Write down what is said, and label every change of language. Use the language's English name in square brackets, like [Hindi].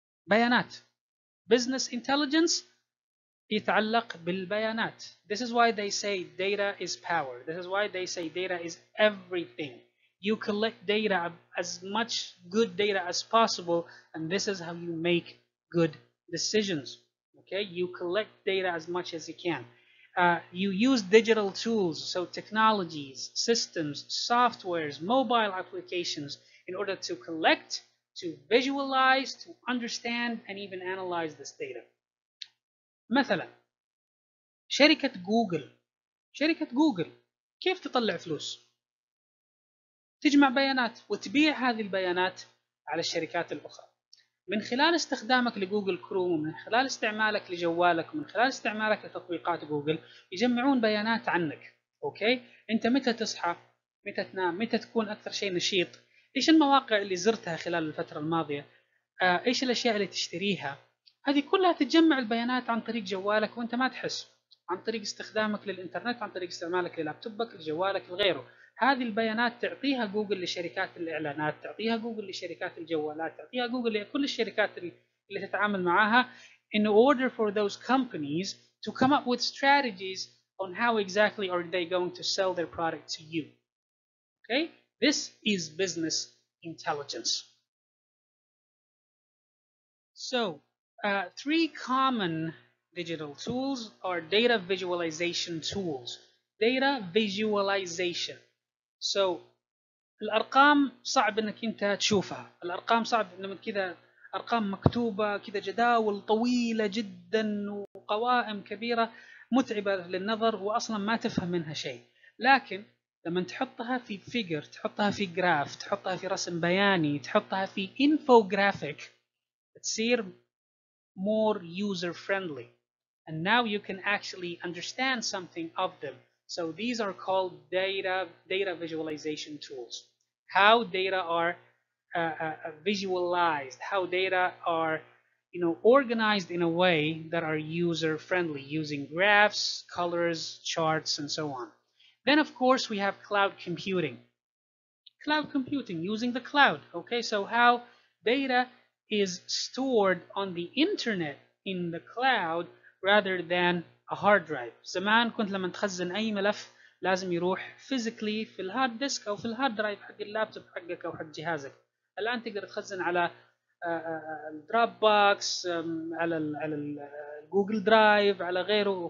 [Arabic] بيانات [English] business intelligence [Arabic] يتعلق بالبيانات [English] this is why they say data is power this is why they say data is everything you collect data as much good data as possible and this is how you make good decisions okay you collect data as much as you can you use digital tools so technologies systems softwares mobile applications in order to collect to visualize, to understand, and even analyze this data. [Arabic] مثلا شركة جوجل شركة جوجل كيف تطلع فلوس؟ تجمع بيانات وتبيع هذه البيانات على الشركات الأخرى. من خلال استخدامك لجوجل كروم ومن خلال استعمالك لجوالك ومن خلال استعمالك لتطبيقات جوجل يجمعون بيانات عنك. أوكي؟ أنت متى تصحى؟ متى تنام؟ متى تكون أكثر شيء نشيط؟ إيش المواقع اللي زرتها خلال الفترة الماضية؟ إيش الأشياء اللي تشتريها؟ هذه كلها تجمع البيانات عن طريق جوالك وأنت ما تحس عن طريق استخدامك للإنترنت عن طريق استعمالك للابتوبك لجوالك لغيره هذه البيانات تعطيها جوجل لشركات الإعلانات تعطيها جوجل لشركات الجوالات تعطيها جوجل لكل الشركات اللي تتعامل معها [English] in order for those companies to come up with strategies on how exactly are they going to sell their product to you. Okay? This is business intelligence. So, three common digital tools are data visualization tools. Data visualization. So, [Arabic] الأرقام صعب إنك أنت تشوفها. الأرقام صعب إنك كذا أرقام مكتوبة كذا جداول طويلة جدا وقوائم كبيرة متعبة للنظر وأصلا ما تفهم منها شيء. لكن لما تحطها في فيجر، تحطها في جراف، تحطها في رسم بياني، تحطها في إنفوغرافيك، تصير [English] more user friendly. And now you can actually understand something of them. So these are called data visualization tools. How data are visualized, how data are, you know, organized in a way that are user friendly using graphs, colors, charts, and so on. Then of course we have cloud computing. Cloud computing using the cloud. Okay, so how data is stored on the internet in the cloud rather than a hard drive. [Arabic] زمان كنت لما تخزن أي ملف لازم يروح physically في الهارد ديسك أو في الهارد درايف حق اللابتوب حقك أو حق جهازك. الآن تقدر تخزن على الدروب بوكس، على الجوجل درايف، على غيره.